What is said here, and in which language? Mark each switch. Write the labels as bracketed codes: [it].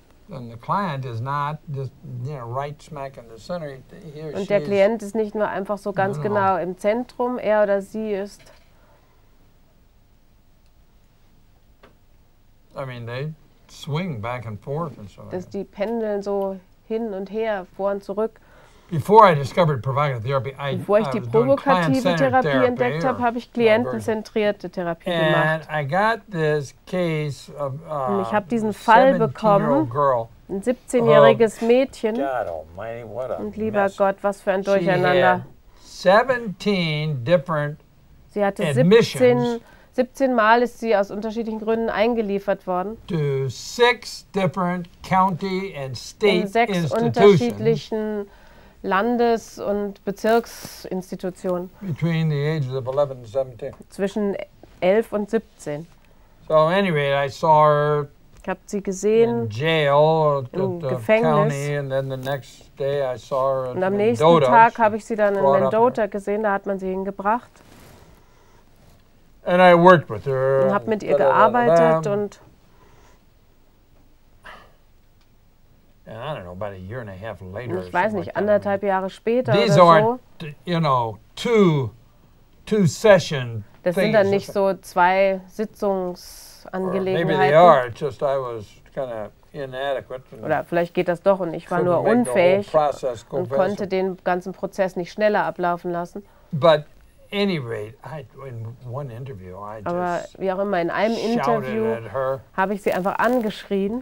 [en] And the client is not just, right smack in the center. [de] Und der Klient ist nicht nur einfach so ganz genau im Zentrum, er oder sie ist. [en] I mean, they swing back and forth and so on. [de] Dass die pendeln so hin und her, vor und zurück. [en] Before I discovered provocative therapy, [de] bevor ich die provokative Therapie entdeckt habe, habe ich klientenzentrierte Therapie gemacht. [en] And I got this case of [de] und ich habe diesen Fall bekommen, ein 17-jähriges Mädchen. [en] God almighty, what a [de] und lieber Gott, was für ein Durcheinander. [en] She had 17 different [de] sie hatte 17 17 Mal ist sie aus unterschiedlichen Gründen eingeliefert worden. [en] To 6 different county and state [de] in 6 unterschiedlichen Landes- und Bezirksinstitutionen. [en] Between the ages of 11 and 17. [de] Zwischen 11 und 17. [en] So anyway, I saw her. [de] Ich habe sie gesehen [en] in jail, [de] im Gefängnis. [en] County, and then the next day I saw her [de] und am nächsten [en] Mendota. [de] Tag habe ich sie dann in Mendota gesehen, da hat man sie hingebracht. [en] And I worked with her. [de] Und habe mit ihr gearbeitet und. [en] And I don't know, about a year and a half later. [de] Ich weiß nicht, anderthalb Jahre später [en] these [de] oder so. [en] These aren't, two session. [de] Das [en] things. [de] Sind dann nicht so zwei Sitzungsangelegenheiten. [en] Or maybe they are. It's just I was kind of inadequate. [de] Oder vielleicht geht das doch und ich war nur unfähig und konnte den ganzen Prozess nicht schneller ablaufen lassen. [en] But any rate, in one interview, I just [de] aber wie auch immer, in einem Interview habe ich sie einfach angeschrien.